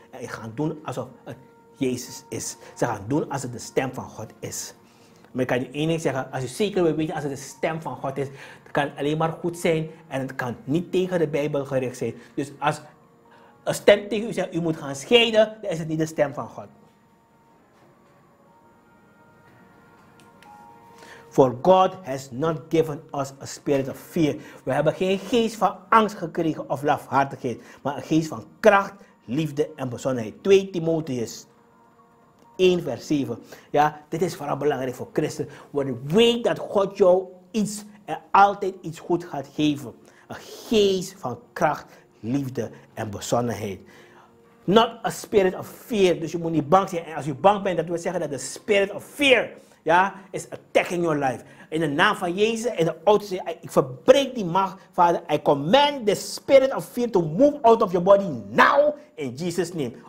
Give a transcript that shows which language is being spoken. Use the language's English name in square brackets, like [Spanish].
[Dutch] En gaan doen alsof het Jezus is. Ze gaan doen als het de stem van God is. Maar ik kan je één ding zeggen. Als je zeker wil weten als het de stem van God is. Dan kan het alleen maar goed zijn. En het kan niet tegen de Bijbel gericht zijn. Dus als een stem tegen u zegt. U moet gaan scheiden. Dan is het niet de stem van God. [English] For God has not given us a spirit of fear. [Dutch] We hebben geen geest van angst gekregen. Of lafhartigheid. Maar een geest van kracht, liefde en bezonnenheid. 2 Timotheus 1 vers 7. Ja, dit is vooral belangrijk voor Christen. Want weet dat God jou iets en altijd iets goed gaat geven. Een geest van kracht, liefde en bezonnenheid. [English] Not a spirit of fear. [Dutch] Dus je moet niet bang zijn. En als je bang bent, dat wil zeggen dat de [English] spirit of fear, [Dutch] ja, [English] is attacking your life. [Dutch] In de naam van Jezus en de autoriteit, ik verbreek die macht, Vader. [English] I command the spirit of fear to move out of your body now in Jesus' name.